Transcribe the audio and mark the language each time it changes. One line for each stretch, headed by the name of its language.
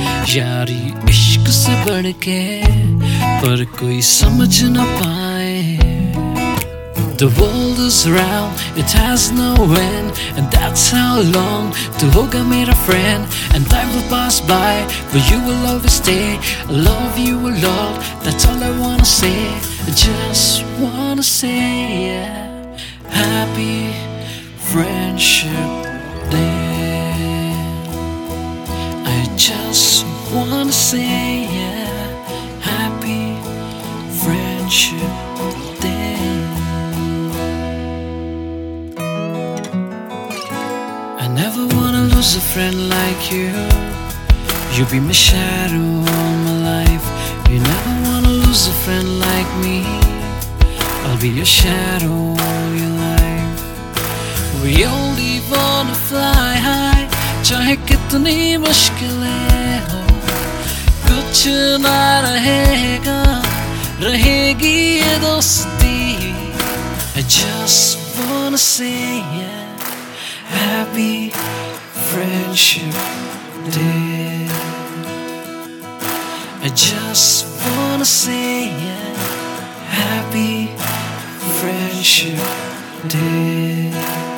Hindi: यारी इश्क से बढ़ के पर कोई समझ न पाए.
English: The world is round, it has no end, and that's how long to hug a mere friend. And time will pass by, but you will always stay. I love you a lot, that's all I wanna say. I just wanna say yeah. Happy friendship day. I just wanna say yeah, happy friendship day. I never wanna lose a friend like you. You'll be my shadow all my life. You never wanna lose a friend like me. I'll be your shadow all your life. We only wanna fly high.
Hindi: Chahe kitni mushkilein ho, कुछ ना रहेगा, रहेगी ये दोस्ती.
English: I just wanna say yeah, happy friendship day. I just wanna say yeah, happy friendship day.